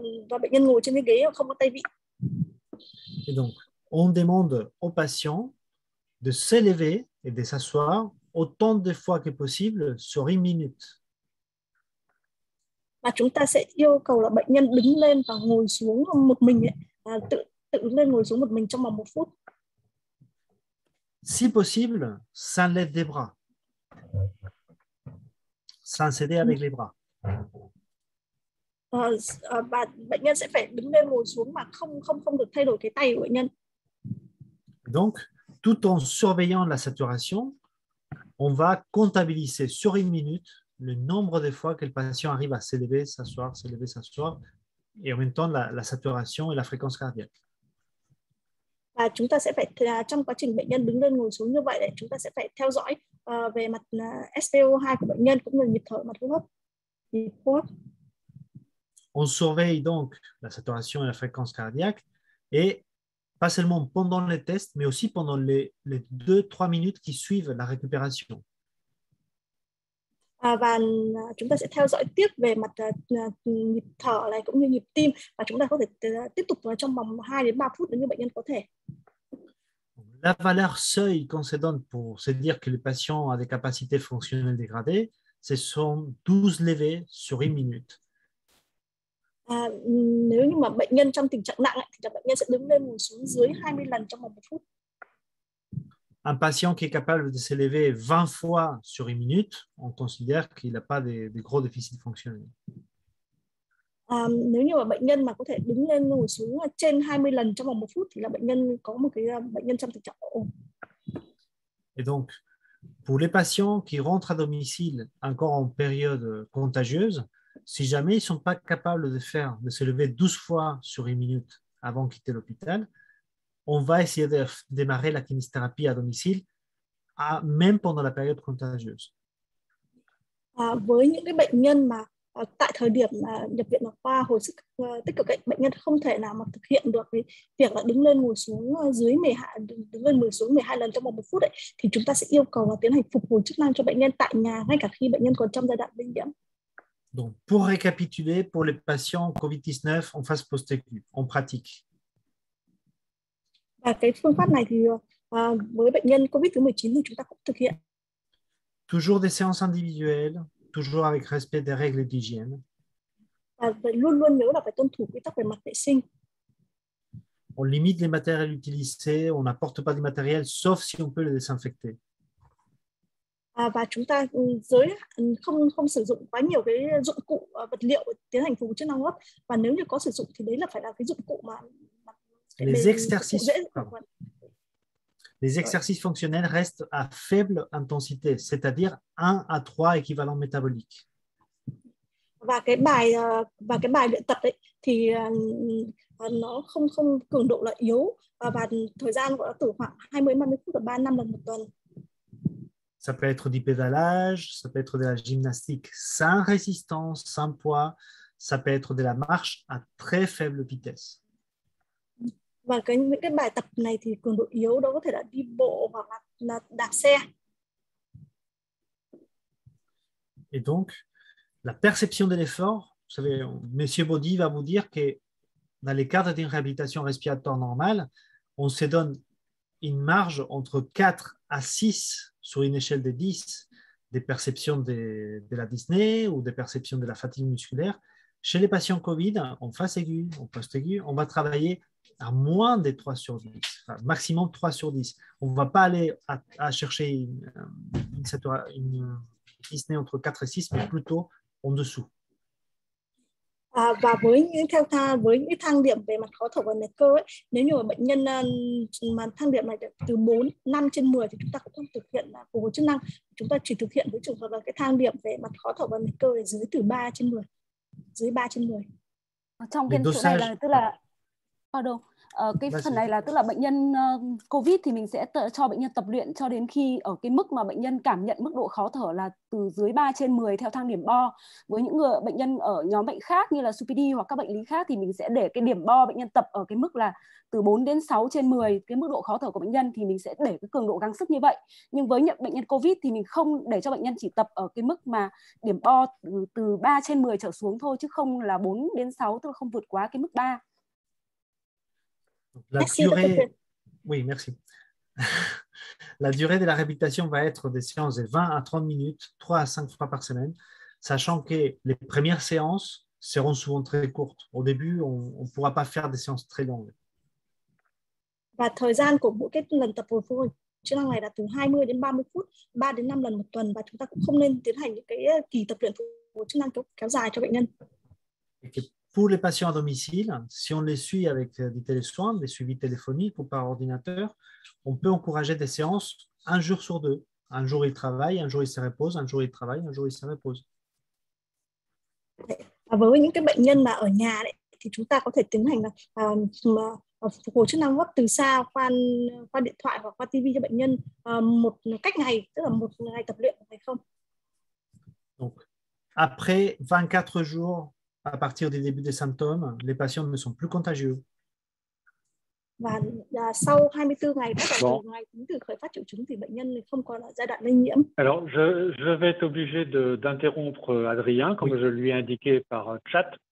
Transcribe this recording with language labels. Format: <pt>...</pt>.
<vi>Và bệnh nhân ngồi trên cái ghế không có tay vịn.</vi> <fr>Et donc, on demande au patient de s'élever et de s'asseoir autant de fois que possible sur une minute.</fr> <vi>Và chúng ta sẽ yêu cầu là bệnh nhân đứng lên và ngồi xuống một mình ấy, tự đứng lên ngồi xuống một mình trong vòng 1 phút.</vi> <fr>Si possible, sans l'aide des bras. Sans s'aider avec les bras.</fr> <vi>Và bệnh nhân sẽ phải đứng lên ngồi xuống mà không được thay đổi cái tay của bệnh nhân.</vi> <fr>Donc, tout en surveillant la saturation, on va comptabiliser sur une minute le nombre de fois que le patient arrive à s'élever, s'asseoir, et en même temps la saturation et la fréquence cardiaque.</fr> <vi>Và chúng ta sẽ phải trong quá trình bệnh nhân đứng lên ngồi xuống như vậy, chúng ta sẽ phải theo dõi về mặt SpO2 của bệnh nhân cũng như nhịp thở, mặt hô hấp.</vi> <fr>On surveille donc la saturation et la fréquence cardiaque, et pas seulement pendant les tests, mais aussi pendant les 2-3 minutes qui suivent la récupération.</fr> <vi>Và chúng ta sẽ theo dõi tiếp về mặt nhịp thở này cũng như nhịp tim, và chúng ta có thể tiếp tục trong vòng 2 đến 3 phút nếu như bệnh nhân có thể.</vi> <fr>La valeur seuil qu'on se donne pour se dire que le patient a des capacités fonctionnelles dégradées, ce sont 12 levées sur 1 minute.</fr> <vi>Nếu như mà bệnh nhân trong tình trạng nặng ấy, thì bệnh nhân sẽ đứng lên ngồi xuống dưới 20 lần trong vòng 1 phút.</vi> <fr>Un patient qui est capable de s'élever 20 fois sur une minute, on considère qu'il n'a pas de gros déficit fonctionnel.</fr> <vi>Nếu như mà bệnh nhân mà có thể đứng lên ngồi xuống trên 20 lần trong vòng 1 phút thì là bệnh nhân có một cái bệnh nhân trong tình trạng ổn.</vi> <fr>Et donc, pour les patients qui rentrent à domicile encore en période contagieuse, si jamais ils ne sont pas capables de se lever 12 fois sur une minute avant de quitter l'hôpital, on va essayer de démarrer la kinésithérapie à domicile, à, même pendant la période contagieuse.</fr> <vi>Với những cái bệnh nhân mà tại thời điểm nhập viện qua hồi sức tích cực, bệnh nhân không thể nào mà thực hiện được cái việc là đứng lên ngồi xuống dưới 12, đứng lên ngồi xuống 12 lần trong vòng 1 phút ấy, thì chúng ta sẽ yêu cầu tiến hành phục hồi chức năng cho bệnh nhân tại nhà ngay cả khi bệnh nhân còn trong giai đoạn lây nhiễm.</vi> <fr>Donc, pour récapituler, pour les patients COVID-19 en phase post-acute, en pratique.</fr> <vi>Và cái phương pháp này thì với bệnh nhân COVID-19 thì chúng ta cũng thực hiện.</vi> <fr>Toujours des séances individuelles, toujours avec respect des règles d'hygiène.</fr> <vi>Luôn luôn nhớ là phải tuân thủ quy tắc về mặt vệ sinh.</vi> <fr>On limite les matériels utilisés, on n'apporte pas de matériel sauf si on peut le désinfecter.</fr> <vi>Và chúng ta giới không sử dụng quá nhiều cái dụng cụ vật liệu tiến hành phục vụ chức năng hô hấp, và nếu như có sử dụng thì đấy là phải là cái dụng cụ mà</vi> <fr>Les exercices fonctionnels restent à faible intensité, c'est-à-dire 1 à 3 équivalents métaboliques.</fr> <vi>Và cái bài luyện tập ấy, thì nó không cường độ là yếu, và thời gian của nó từ khoảng 20-30 phút</vi> <fr>ou</fr> <vi>3-5 lần một tuần.</vi> <fr>Ça peut être du pédalage, ça peut être de la gymnastique sans résistance, sans poids, ça peut être de la marche à très faible vitesse.</fr> <vi>Và cái bài tập này thì cường độ yếu, đó có thể là đi bộ hoặc là đạp xe.</vi> <fr>Et donc, la perception de l'effort, vous savez, Monsieur Body va vous dire que dans les cadres d'une réhabilitation respiratoire normale, on se donne une marge entre 4 à 6 sur une échelle de 10 des perceptions de la dyspnée ou des perceptions de la fatigue musculaire. Chez les patients COVID, en phase aiguë, en post-aiguë, on va travailler à moins de 3 sur 10, enfin, maximum 3 sur 10. On ne va pas aller à chercher une dyspnée entre 4 et 6, mais plutôt en dessous.</fr> <vi>Và với những thang điểm về mặt khó thở và mệt cơ ấy, nếu như mà bệnh nhân mà thang điểm này từ 4, 5 trên 10 thì chúng ta cũng không thực hiện phục hồi chức năng. Chúng ta chỉ thực hiện với trường hợp là cái thang điểm về mặt khó thở và mệt cơ là dưới từ 3 trên 10. Dưới 3 trên 10. Trong cái chỗ này là tức là</vi> <fr>pardon,</fr> <vi>cái phần này là tức là bệnh nhân COVID thì mình sẽ cho bệnh nhân tập luyện cho đến khi ở cái mức mà bệnh nhân cảm nhận mức độ khó thở là từ dưới 3 trên 10 theo thang điểm bo. Với những người bệnh nhân ở nhóm bệnh khác như là COPD hoặc các bệnh lý khác thì mình sẽ để cái điểm bo bệnh nhân tập ở cái mức là từ 4 đến 6 trên 10 cái mức độ khó thở của bệnh nhân, thì mình sẽ để cái cường độ gắng sức như vậy. Nhưng với những bệnh nhân COVID thì mình không để cho bệnh nhân chỉ tập ở cái mức mà điểm bo từ 3 trên 10 trở xuống thôi, chứ không là 4 đến 6, tức là không vượt quá cái mức 3.</vi> <fr>La durée, oui, merci. La durée de la réhabilitation va être des séances de 20 à 30 minutes, 3 à 5 fois par semaine, sachant que les premières séances seront souvent très courtes. Au début, on ne pourra pas faire des séances très longues.</fr> <vi>Và thời gian của mỗi cái lần tập hồi phục chức năng này là từ 20 đến 30 phút, 3 đến 5 lần một tuần, và chúng ta cũng không nên tiến hành những cái kỳ tập luyện phục hồi chức năng kéo dài cho bệnh nhân.</vi> <fr>Pour les patients à domicile, si on les suit avec des télésoins, des suivis téléphoniques ou par ordinateur, on peut encourager des séances un jour sur deux. Un jour, ils travaillent, un jour, ils se reposent, un jour, ils travaillent, un jour, ils se reposent.</fr> <vi>Với những cái bệnh nhân mà ở nhà đấy, thì chúng ta có thể tiến hành phục hồi chức năng gấp từ xa qua điện thoại hoặc qua TV cho bệnh nhân một cách ngày, tức là một ngày tập luyện, phải không?</vi> <fr>Donc, après 24 jours, à partir du début des symptômes, les patients ne sont plus contagieux. Alors, je vais être obligé d'interrompre Adrien, comme oui. Je lui ai indiqué par chat.</fr>